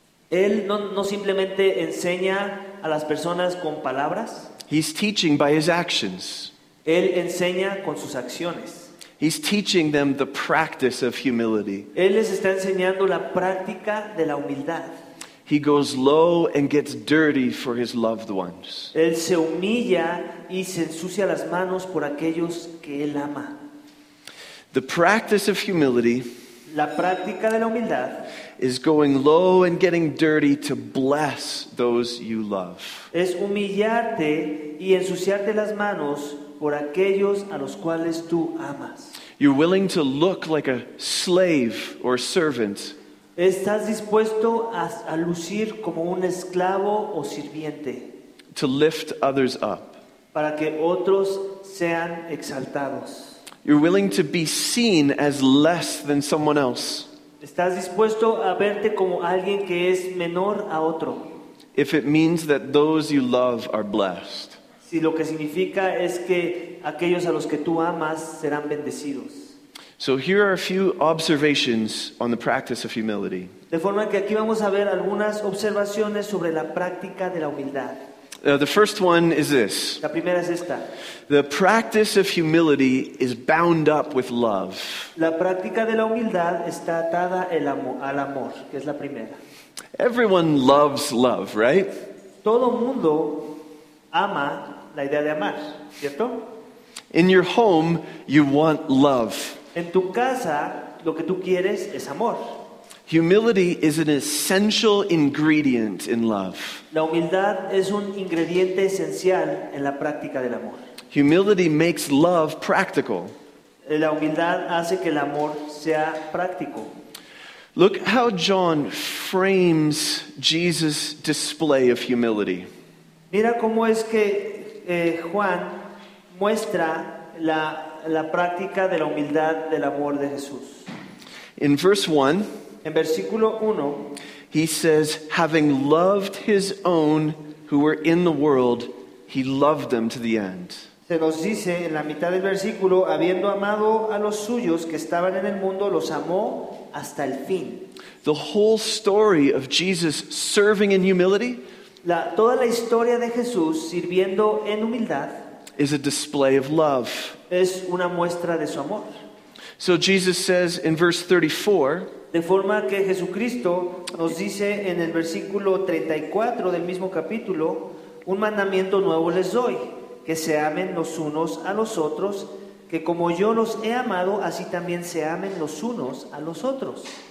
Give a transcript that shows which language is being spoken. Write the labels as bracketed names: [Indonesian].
[Spanish] Él no simplemente enseña a las personas con palabras. [English] He's teaching by his actions. [Spanish] Él enseña con sus acciones. [English] He's teaching them the practice of humility. [Spanish] Él les está enseñando la práctica de la humildad. [English] He goes low and gets dirty for his loved ones. [Spanish] Él se humilla y se ensucia las manos por aquellos que él ama. [English] The practice of humility, [Spanish] la práctica de la humildad, [English] is going low and getting dirty to bless those you love. [Spanish] Es humillarte y ensuciarte las manos por aquellos a los cuales tú amas. [English] You're willing to look like a slave or servant. [Spanish] Estás dispuesto a lucir como un esclavo o sirviente. [English] To lift others up. [Spanish] Para que otros sean exaltados. [English] You're willing to be seen as less than someone else. [Spanish] Estás dispuesto a verte como alguien que es menor a otro. [English] If it means that those you love are blessed. [Spanish] Si lo que significa es que aquellos a los que tú amas serán bendecidos. [English] So here are a few observations on the practice of humility. [Spanish] De forma que aquí vamos a ver algunas observaciones sobre la práctica de la humildad. [English] The first one is this. [Spanish] La primera es esta. [English] The practice of humility is bound up with love. [Spanish] La práctica de la humildad está atada al amor, que es la primera. [English] Everyone loves love, right? [Spanish] Todo mundo ama la idea de amar, ¿cierto? [English] In your home, you want love. [Spanish] En tu casa, lo que tú quieres es amor. [English] Humility is an essential ingredient in love. [Spanish] La humildad es un ingrediente esencial en la práctica del amor. [English] Humility makes love practical. [Spanish] La humildad hace que el amor sea práctico. [English] Look how John frames Jesus' display of humility. [Spanish] Mira cómo es que Juan muestra la práctica de la humildad del amor de Jesús. [English] In verse 1, [Spanish] en versículo 1, [English] he says, "Having loved his own who were in the world, he loved them to the end." [Spanish] Se nos dice en la mitad del versículo, habiendo amado a los suyos que estaban en el mundo, los amó hasta el fin. [English] The whole story of Jesus serving in humility, [Spanish] toda la historia de Jesús sirviendo en humildad, [English] is a display of love. [Spanish] Es una muestra de su amor. [English] So Jesus says in verse 34, [Spanish] de forma que Jesucristo nos dice en el versículo 34 del mismo capítulo, un mandamiento nuevo les doy, que se amen los unos a los otros, que como yo los he amado, así también se amen los unos a los otros.